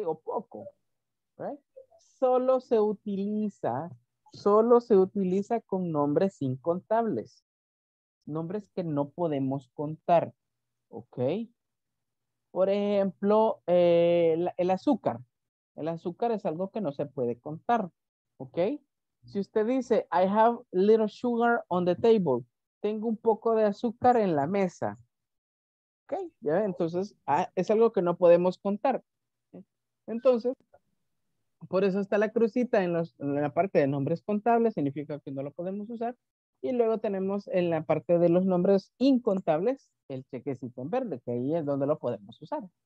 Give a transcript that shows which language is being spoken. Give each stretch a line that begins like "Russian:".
Spanish: O poco, ¿right? Solo se utiliza con nombres incontables. Nombres que no podemos contar, ¿ok? Por ejemplo, el azúcar. El azúcar es algo que no se puede contar, ¿ok? Si usted dice,
English: I have little sugar on the table.
Spanish: Tengo un poco de azúcar en la mesa. ¿Ok? ¿Ya? Entonces, es algo que no podemos contar. Entonces, por eso está la crucita en la parte de nombres contables. Significa que no lo podemos usar. Y luego tenemos en la parte de los nombres incontables el chequecito en verde, que ahí es donde lo podemos usar.